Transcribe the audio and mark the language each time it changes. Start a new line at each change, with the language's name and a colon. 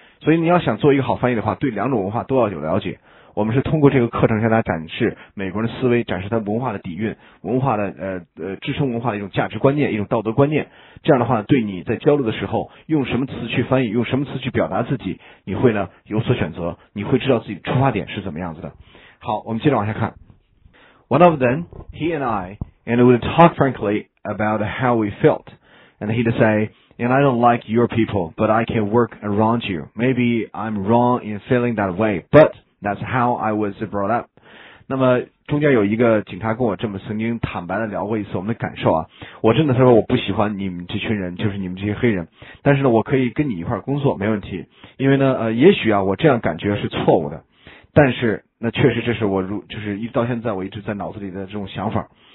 Chinese: 所以你要想做一个好翻译的话，对两种文化都要有了解。我们是通过这个课程向大家展示美国人的思维，展示他文化的底蕴，文化的支撑文化的一种价值观念，一种道德观念。这样的话呢，对你在交流的时候用什么词去翻译，用什么词去表达自己，你会呢有所选择，你会知道自己出发点是怎么样子的。好，我们接着往下看。
English: One of them, he and I, and would talk frankly about how we felt. And he'd say, and I don't like your people, but I can work around you. Maybe I'm wrong in feeling that way, but that's how I was brought up.
Chinese: 那么中间有一个警察跟我这么曾经坦白的聊过一次我们的感受啊，我真的说我不喜欢你们这群人，就是你们这些黑人，但是呢我可以跟你一块工作没问题，因为呢也许啊我这样感觉是错误的，但是那确实这是我就是一直到现在我一直在脑子里的这种想法。